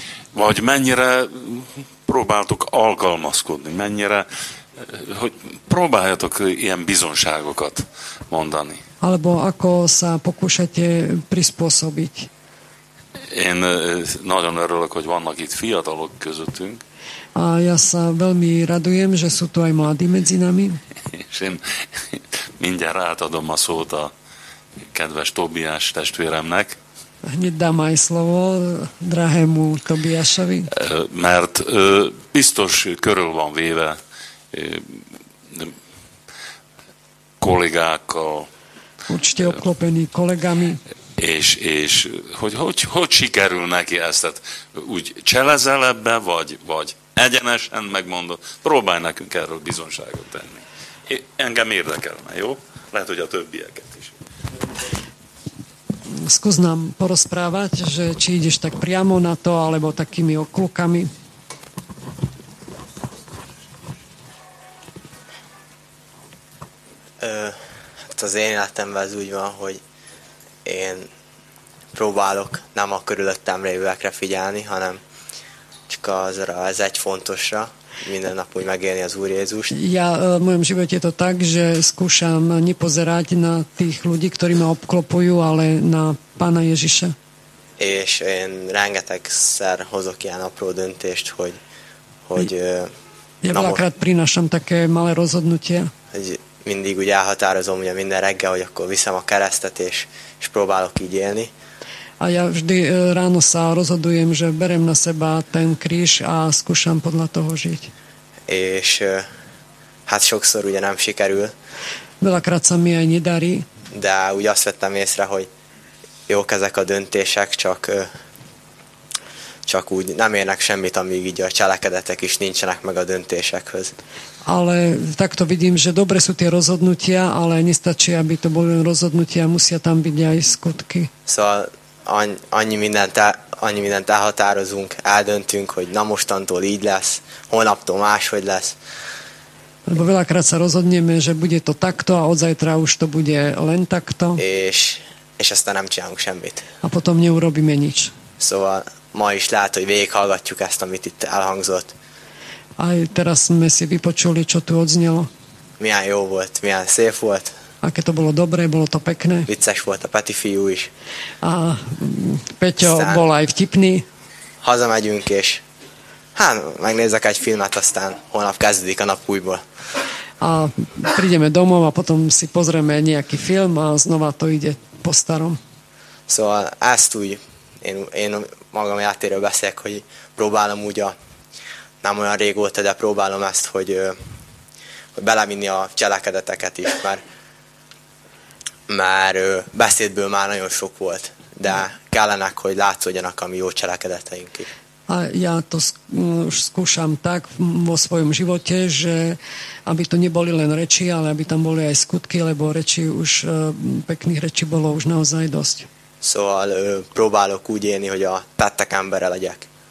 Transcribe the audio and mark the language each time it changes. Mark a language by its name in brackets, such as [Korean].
[Hungarian] Vagy mennyire próbáltok alkalmazkodni, mennyire hogy próbáljatok ilyen bizonságokat mondani. [Slovak] Alebo ako sa pokúšate prispôsobiť. [Hungarian] Én nagyon örülök, hogy vannak itt fiatalok közöttünk. [Slovak] A ja sa veľmi radujem, že sú tu aj mladí medzi nami. [Hungarian] És én mindjárt átadom a szót a kedves Tobiás testvéremnek. [Slovak] Hneď dám aj slovo drahému Tobiášovi. [Hungarian] Mert biztos körül van véve kollégákkal. [Slovak] Určite obklopený kollégami. [Hungarian] És hogy sikerül neki ezt? Tehát úgy cselezel ebbe, vagy egyenesen megmondod? Próbálj nekünk erről bizonságot tenni. Engem érdekelne, jó? Lehet, hogy a többieket is. [Slovak] Skús nám porozprávať, že či ideš tak priamo na to, alebo takými okľukami. [Hungarian] Az én életemben ez úgy van, hogy én próbálok nem a körülöttem lévőekre figyelni, hanem csak azra az egy fontosra, minden nap úgy megélni az Úr Jézust. [Slovak] Ja, v mojom živote je to tak, že skúšam nepozerať na tých ľudí, ktorí ma obklopujú, ale na Pána Ježiša. [Hungarian] És én rengetegszer hozok ilyen apró döntést, hogy [Slovak] ja veľakrát prinášam také malé rozhodnutie. [Hungarian] Mindig úgy elhatározom, ugye minden reggel, hogy akkor viszem a keresztet, és próbálok így élni. [Slovak] A ja vždy ráno sa rozhodujem, že berem na seba ten kríž a skúšam podľa toho žiť. [Hungarian] És hát sokszor ugye nem sikerül. [Slovak] Veľakrát sa mi aj nedarí. [Hungarian] De úgy azt vettem észre, hogy jók ezek a döntések, csak úgy nem érnek semmit, amíg így a cselekedetek is nincsenek meg a döntésekhöz. [Slovak] Ale takto vidím, že dobre sú tie rozhodnutia, ale nestačí, aby to boli rozhodnutia, musia tam byť aj skutky. [Hungarian] Szóval annyi mindent elhatározunk, eldöntünk, hogy na mostantól így lesz, holnaptól máshogy lesz. [Slovak] Lebo veľakrát sa rozhodneme, že bude to takto a od zajtra už to bude len takto. [Hungarian] És aztán nem csinálunk semmit. [Slovak] A potom neurobíme nič. [Hungarian] Szóval ma is lehet, hogy végighallgatjuk ezt, amit itt elhangzott. [Slovak] Aj teraz sme si vypočuli, čo tu odznelo. [Hungarian] Milyen jó volt, milyen szép volt. [Slovak] Aké to bolo dobré, bolo to pekné. [Hungarian] Vicces volt a Peti fiú is. [Slovak] A Peťo bol aj vtipný. [Hungarian] Hazamegyünk, és hát megnézek egy filmet, aztán holnap kezdődik a nap újból. [Slovak] A prídeme domov a potom si pozrieme nejaký film a znova to ide po starom. [Hungarian] Szóval ezt úgy, én magam játéről beszélek, hogy próbálom úgy a nem olyan régóta, de próbálom ezt, hogy belevinni a cselekedeteket is, mert beszédből már nagyon sok volt, de kellenek, hogy látszódjanak a mi jó cselekedeteink is. [Slovak] A ja to skúšam tak vo svojom živote, že aby to neboli len reči, ale aby tam boli aj skutky, lebo reči už, pekných reči bolo už naozaj dosť. [Hungarian] Szóval próbálok úgy élni, hogy a tettek embere legyek.